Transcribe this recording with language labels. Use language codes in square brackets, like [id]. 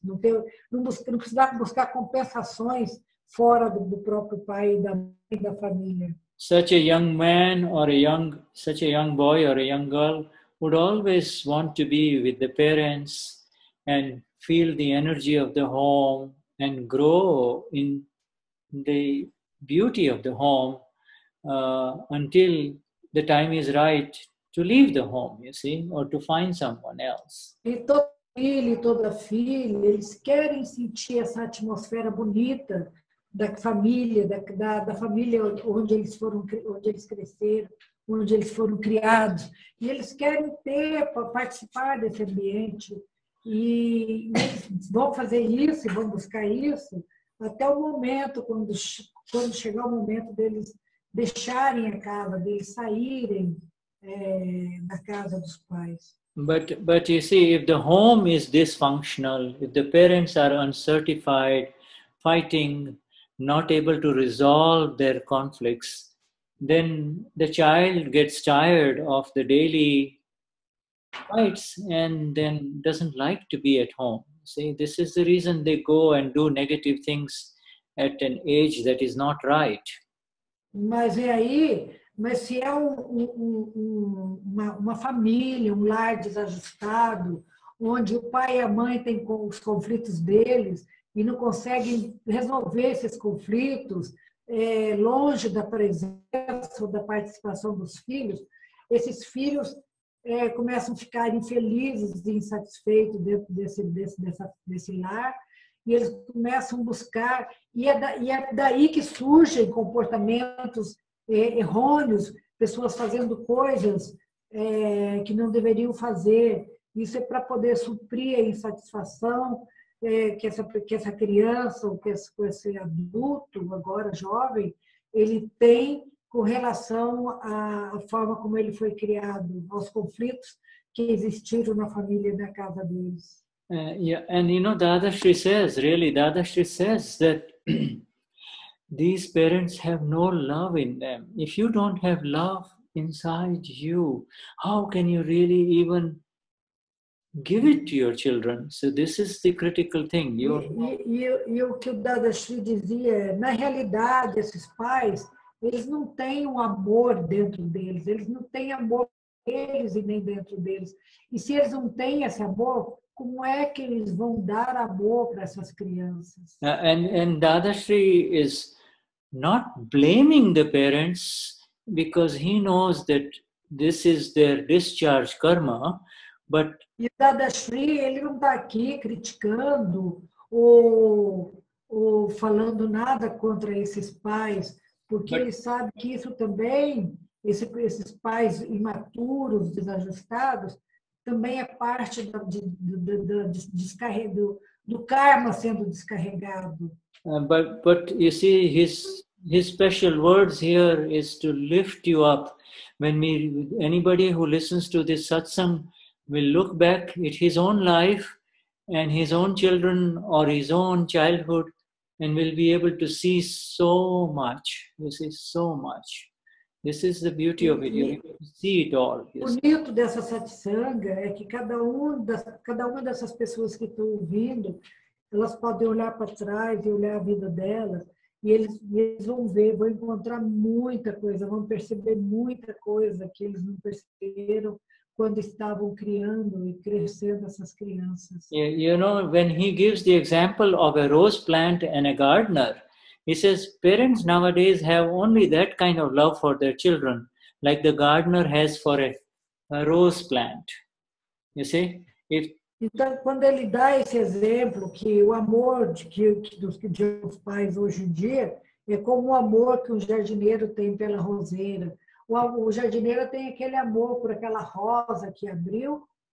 [pt] Não precisar buscar compensações fora do próprio pai e da família. [en] Such a young man or such a young boy or a young girl would always want to be with the parents and feel the energy of the home and grow in the beauty of the home until the time is right to leave the home, you see, or to find someone else. [pt] E todo filho, toda filha, eles querem sentir essa atmosfera bonita da família onde eles cresceram, onde eles foram criados. E eles querem participar desse ambiente. E vão fazer isso, vão buscar isso, até o momento, quando chegar o momento deles deixarem a casa, deles saírem da casa dos pais. [en] But you see, if the home is dysfunctional, if the parents are uncertified, fighting, not able to resolve their conflicts, then the child gets tired of the daily fights and then doesn't like to be at home. See, this is the reason they go and do negative things at an age that is not right. [pt] Mas é aí, mas se é uma família, lar desajustado, onde o pai e a mãe têm os conflitos deles, e não conseguem resolver esses conflitos longe da presença ou da participação dos filhos, esses filhos começam a ficar infelizes e insatisfeitos dentro desse lar, e eles começam a buscar, e é daí que surgem comportamentos errôneos, pessoas fazendo coisas que não deveriam fazer. Isso é para poder suprir a insatisfação que essa criança ou que esse adulto, agora jovem, ele tem com relação à forma como ele foi criado, aos conflitos que existiram na família e na casa deles. [en] And you know, Dadashri says that these parents have no love in them. If you don't have love inside you, how can you really even give it to your children? So this is the critical thing. [pt] E o que o Dadashri dizia, na realidade, esses pais, eles não têm um amor dentro deles. Eles não têm amor deles e nem dentro deles. E se eles não têm esse amor, como é que eles vão dar amor para essas crianças? [en] And Dadashri is not blaming the parents because he knows that this is their discharge karma. But [pt] e o Dadashri, ele não está aqui criticando ou falando nada contra esses pais, porque ele sabe que isso também, esses pais imaturos, desajustados, também é parte do karma sendo descarregado. [en] But you see, his special words here is to lift you up. Anybody who listens to this satsang will look back at his own life and his own children or his own childhood and will be able to see so much. This is so much. This is the beauty of it. You can see it all. [pt] O bonito dessa satsanga é que cada uma dessas pessoas que estão ouvindo, elas podem olhar para trás e olhar a vida delas E eles vão ver, vão encontrar muita coisa, vão perceber muita coisa que eles não perceberam quando estavam criando e crescendo essas crianças. [en] Yeah, you know, when he gives the example of a rose plant and a gardener, he says, parents nowadays have only that kind of love for their children, like the gardener has for a rose plant. You see? [pt] If, então, quando ele dá esse exemplo, que o amor de os pais hoje em dia é como o amor que um jardineiro tem pela roseira. O jardineiro tem aquele amor por aquela rosa que abriu.